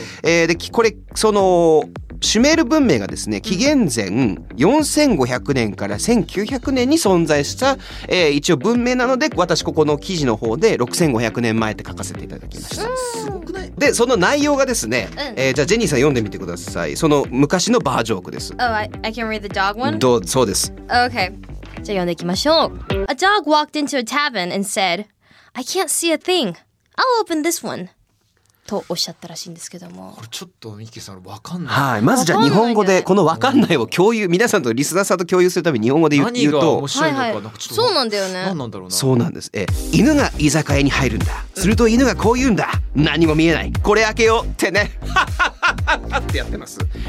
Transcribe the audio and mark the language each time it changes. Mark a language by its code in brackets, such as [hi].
[ja] でこれそのシュメール文明がですね、紀元前4500年から1900年に存在した、一応文明なので、私ここの記事の方で6500年前って書かせていただきました。すごくない？で、その内容がですね、じゃあジェニーさん読んでみてください。その昔のバージョークです。 [en] Oh, I can read the dog one? [ja] どう、そうです。 [en] Okay. [ja] じゃあ読んでいきましょう。 [en] A dog walked into a tavern and said, I can't see a thing. I'll open this one. [ja] とおっしゃったらしいんですけども、これちょっとミキさん分かんない、はい、まずじゃあ日本語でこの分かんないを共有、皆さんとリスナーさんと共有するために日本語で言うと、何が面白いのか、はいはい、なんかちょっとそうなんだよね、何なんだろうな、そうなんです、犬が居酒屋に入るんだ、すると犬がこう言うんだ、何も見えない、これ開けようってね、ハッハッハッ